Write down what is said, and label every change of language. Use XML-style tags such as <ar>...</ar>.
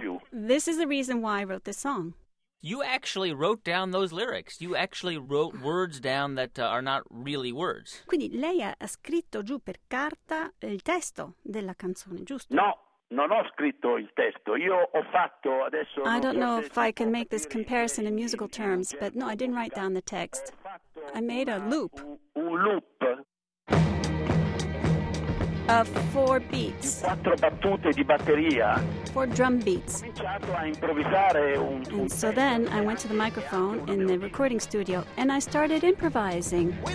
<en>This is the reason why I wrote this song. You actually wrote down those lyrics. You actually wrote words down that are not really words.</en> <it>Quindi lei ha scritto giù per carta il testo della canzone, giusto? No, non ho scritto il testo. Io ho fatto adesso.</it> <en>I don't know if I can make this comparison in musical terms, but no, I didn't write down the text. I made a loop.</en> <it>Un loop.</it> <en>Of four beats.</en> <it>Quattro battute di batteria.</it> <en>Four drum beats.</en> <it>Cominciato a improvvisare un.</it> <en>And so then I went to the microphone in the recording studio and I started improvising.</en>